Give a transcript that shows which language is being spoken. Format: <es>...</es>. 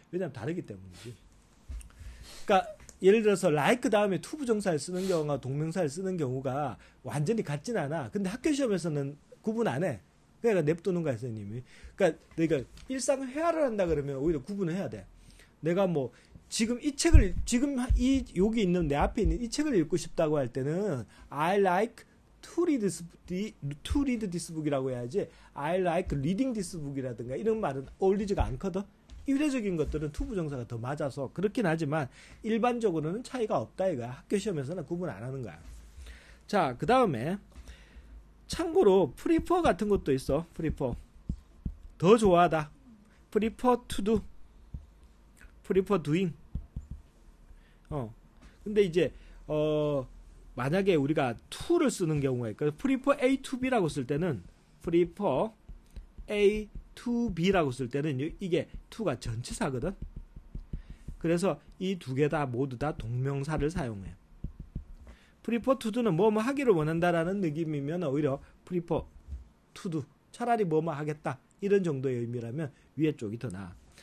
<ko>왜냐면 다르기 때문이지. 그러니까 예를 들어서 like 다음에 to 부정사를 쓰는 경우가 동명사를 쓰는 경우가 완전히 같진 않아. 근데 학교 시험에서는 구분 안 해. 그러니까 냅두는 거야, 선생님이. 그러니까 내가 일상 회화를 한다 그러면 오히려 구분을 해야 돼. 내가 뭐 지금 이 책을, 지금 이 여기 있는 내 앞에 있는 이 책을 읽고 싶다고 할 때는 I like</ko> <en>to read this book이라고 해야지 I like reading this book이라든가 이런 말은 어울리지가 않거든.</en> <ko>이례적인 것들은 to 부정사가 더 맞아서 그렇긴 하지만 일반적으로는 차이가 없다 이거야. 학교 시험에서는 구분 안 하는 거야. 자, 그 다음에 참고로 prefer 같은 것도 있어. prefer 더 좋아하다.</ko> <en>prefer to do, prefer doing.</en> <ko>근데 이제 만약에 우리가 to를 쓰는 경우에 그 prefer A to B라고 쓸 때는 prefer A to B라고 쓸 때는 이게 to가 전치사거든. 그래서 이 두 개 다 모두 다 동명사를 사용해. prefer to do는 뭐뭐 하기를 원한다라는 느낌이면 오히려 prefer to do 차라리 뭐뭐 하겠다 이런 정도의 의미라면 위에 쪽이 더 나아.</ko>